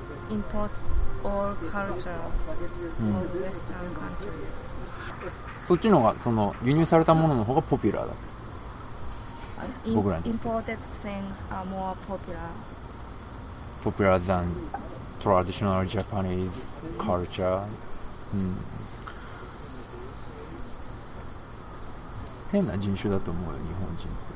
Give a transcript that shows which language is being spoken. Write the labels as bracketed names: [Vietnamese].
[English] Import all culture of Western countries. [Japanese] そっちのがその輸入されたものの方がポピュラーだ。僕らに。 [English] Imported things are more popular. Popular than traditional Japanese culture. [Japanese] うん。変な人種だと思うよ、日本人って。